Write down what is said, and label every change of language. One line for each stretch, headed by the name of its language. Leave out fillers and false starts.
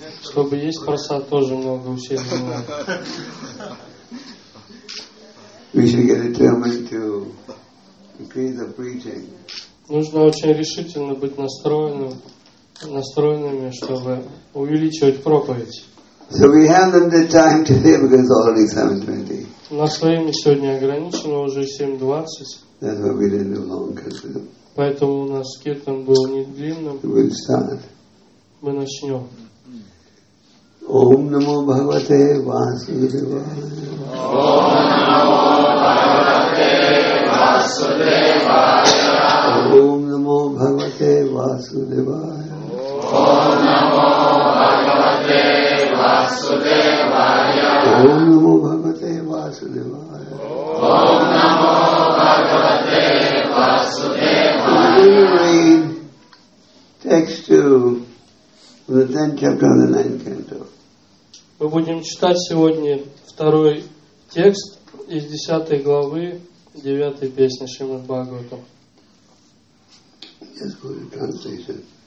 Russian: Чтобы есть просад, тоже много усилий надо.
English: We should get determined to increase the preaching.
Russian: Нужно очень решительно быть настроенными, чтобы увеличивать проповедь.
English: So we have limited time today because it's already 7:20.
Russian: У нас время сегодня ограничено, уже 7:20.
English: That's why we didn't do long kirtan.
Russian: Поэтому у нас киртан был не длинным.
English: We'll start.
Russian: Мы начнем.
Sanskrit: Ом намо Бхагавате Васудевая. Ом намо Бхагавате Васудевая. Ом намо Бхагавате Васудевая. Ом намо Бхагавате Васудевая. Ом намо Бхагавате Васудевая. Ом намо Бхагавате Васудевая.
English: We will read text 2 of the 10th chapter of the 9th canto.
Russian: Мы будем читать сегодня второй текст из 10 главы 9 песни Шримад Бхагаватам.
English: Just for the translation.